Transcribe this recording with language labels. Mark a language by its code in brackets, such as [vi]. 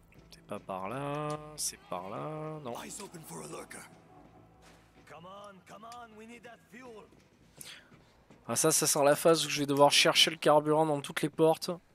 [fr] C'est pas par là, c'est par là. Non. [en] Eyes open for a lurker. Come on, come on, we need that fuel. [fr] Ah ça sent la phase où je vais devoir chercher le carburant dans toutes les portes.